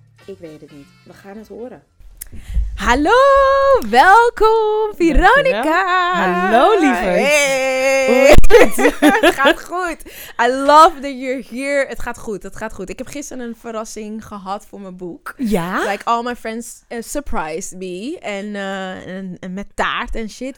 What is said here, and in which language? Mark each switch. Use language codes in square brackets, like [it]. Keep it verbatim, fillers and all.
[nl] Ik weet het niet. We gaan het horen. Hallo, welkom Veronica. Hallo lieve. Hey. Het gaat goed. [en] I love that you're here. [nl] Het gaat goed, het gaat goed. Ik heb gisteren een verrassing gehad voor mijn boek. Ja? [en] Like all my friends uh, surprised me. [nl] En, uh, en, en met taart en shit.